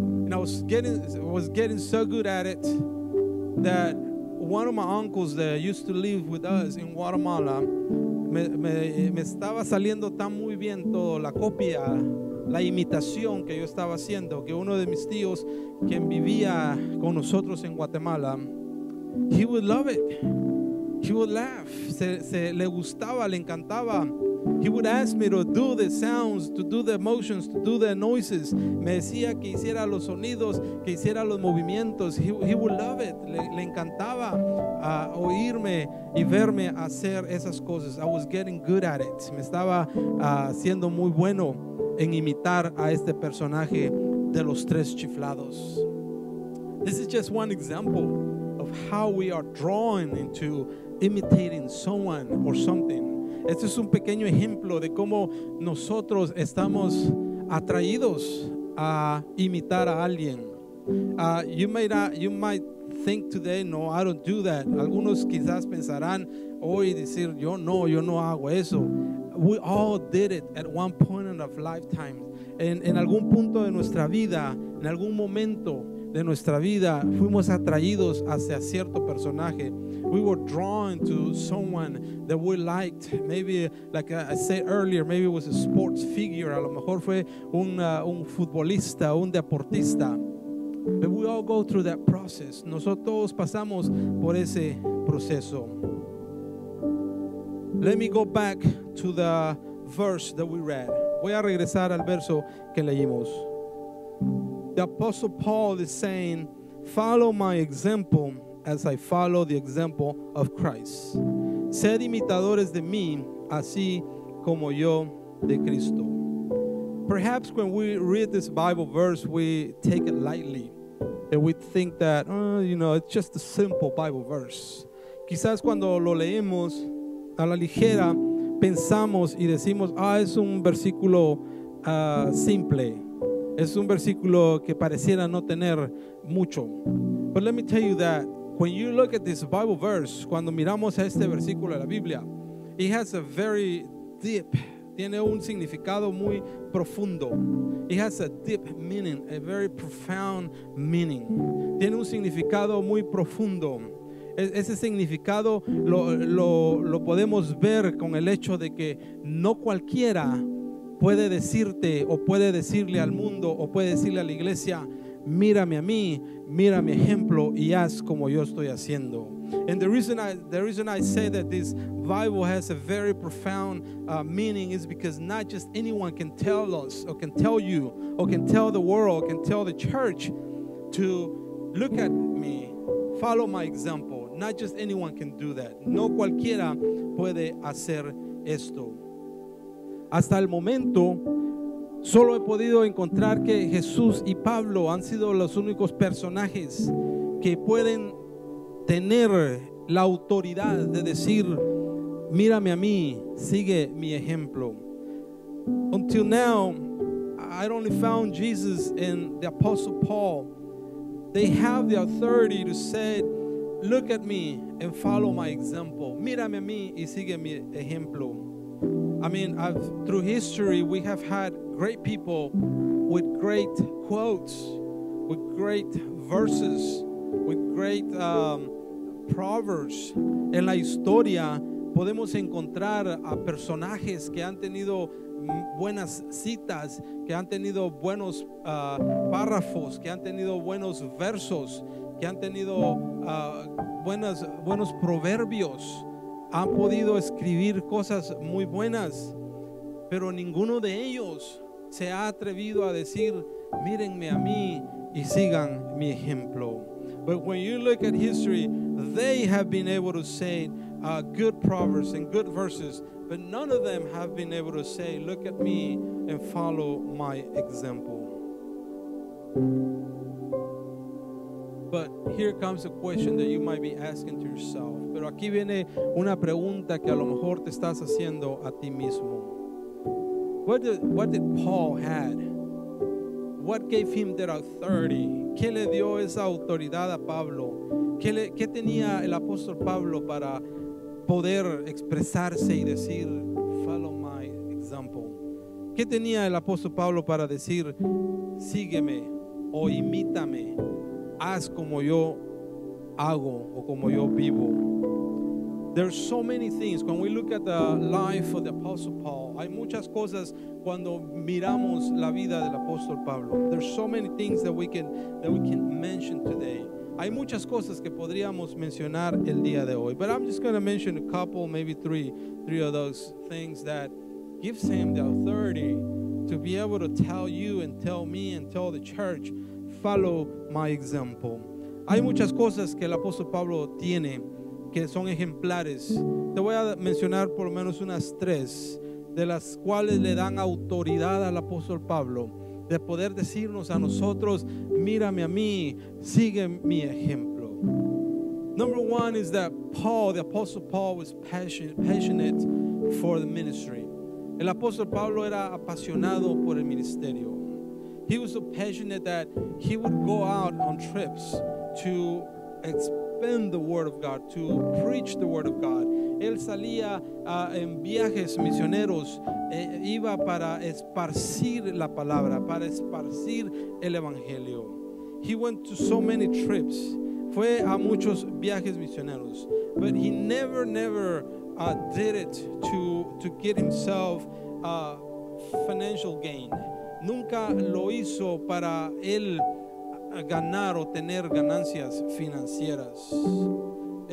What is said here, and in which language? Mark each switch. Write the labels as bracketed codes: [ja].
[en] And I was getting so good at it that one of my uncles that used to live with us in Guatemala, [es] me estaba saliendo tan muy bien todo, la copia, la imitación que yo estaba haciendo, que uno de mis tíos, quien vivía con nosotros en Guatemala, [en] he would love it. He would laugh. [es] Se le gustaba, le encantaba. [en] He would ask me to do the sounds, to do the motions, to do the noises. [es] Me decía que hiciera los sonidos, que hiciera los movimientos. [en] He would love it. [es] Le encantaba oírme y verme hacer esas cosas. [en] I was getting good at it. [es] Me estaba siendo muy bueno en imitar a este personaje de los tres chiflados. [en] This is just one example of how we are drawn into imitating someone or something. [es] Este es un pequeño ejemplo de cómo nosotros estamos atraídos a imitar a alguien. [en] You might think today, no, I don't do that. [es] Algunos quizás pensarán hoy decir, yo no hago eso. [en] We all did it at one point in our lifetime. [es] En algún punto de nuestra vida, en algún momento de nuestra vida, fuimos atraídos hacia cierto personaje. [en] We were drawn to someone that we liked. Maybe, like I said earlier, maybe it was a sports figure. [es] A lo mejor fue un futbolista, un deportista. [en] But we all go through that process. [es] Nosotros todos pasamos por ese proceso. [en] Let me go back to the verse that we read. [es] Voy a regresar al verso que leímos. [en] The Apostle Paul is saying, follow my example as I follow the example of Christ. [es] Sed imitadores de mí, así como yo de Cristo. [en] Perhaps when we read this Bible verse, we take it lightly. And we think that, it's just a simple Bible verse. [es] Quizás cuando lo leemos a la ligera, pensamos y decimos, es un versículo simple. Es un versículo que pareciera no tener mucho. [en] But let me tell you that When you look at this Bible verse, [es] cuando miramos este versículo de la Biblia, [en] it has a very deep, [es] tiene un significado muy profundo. [en] It has a deep meaning, a very profound meaning. [es] Tiene un significado muy profundo. Ese significado lo podemos ver con el hecho de que no cualquiera puede decirte o puede decirle al mundo o puede decirle a la iglesia, mírame a mí, mira mi ejemplo y haz como yo estoy haciendo. [en] And the reason I say that this Bible has a very profound meaning is because not just anyone can tell us or can tell you or can tell the world or can tell the church to look at me, follow my example. Not just anyone can do that. [es] No cualquiera puede hacer esto. Hasta el momento, solo he podido encontrar que Jesús y Pablo han sido los únicos personajes que pueden tener la autoridad de decir, mírame a mí, sigue mi ejemplo. [en] Until now, I only found Jesus and the Apostle Paul. They have the authority to say, look at me and follow my example. [es] Mírame a mí y sigue mi ejemplo. [en] I mean, through history, we have had great people with great quotes, with great verses, with great proverbs. [es] En la historia, podemos encontrar a personajes que han tenido buenas citas, que han tenido buenos párrafos, que han tenido buenos versos, que han tenido buenos proverbios. Han podido escribir cosas muy buenas, pero ninguno de ellos se ha atrevido a decir, mírenme a mí y sigan mi ejemplo. [en] But when you look at history, they have been able to say good proverbs and good verses, but none of them have been able to say, look at me and follow my example. But here comes a question that you might be asking to yourself. [es] Pero aquí viene una pregunta que a lo mejor te estás haciendo a ti mismo. [en] What did Paul had? What gave him that authority? [es] ¿Qué le dio esa autoridad a Pablo? ¿Qué tenía el apóstol Pablo para poder expresarse y decir, [en] follow my example? [es] ¿Qué tenía el apóstol Pablo para decir, sígueme o imítame? Haz como yo hago o como yo vivo. [en] There's so many things. When we look at the life of the Apostle Paul, [es] hay muchas cosas cuando miramos la vida del apóstol Pablo. [en] There's so many things that we can mention today. [es] Hay muchas cosas que podríamos mencionar el día de hoy. [en] But I'm just going to mention a couple, maybe three of those things that gives him the authority to be able to tell you and tell me and tell the church, follow my example. [es] Hay muchas cosas que el apóstol Pablo tiene que son ejemplares. Te voy a mencionar por lo menos unas tres de las cuales le dan autoridad al apóstol Pablo de poder decirnos a nosotros, mírame a mí, sigue mi ejemplo. [en] Number one is that Paul, the apostle Paul, was passionate for the ministry. [es] El apóstol Pablo era apasionado por el ministerio. [en] He was so passionate that he would go out on trips to expand the word of God, to preach the word of God. [es] Él salía en viajes misioneros, iba para esparcir la palabra, para esparcir el evangelio. [en] He went to so many trips. [es] Fue a muchos viajes misioneros. [en] But he never did it to get himself financial gain. [es] Nunca lo hizo para él ganar o tener ganancias financieras.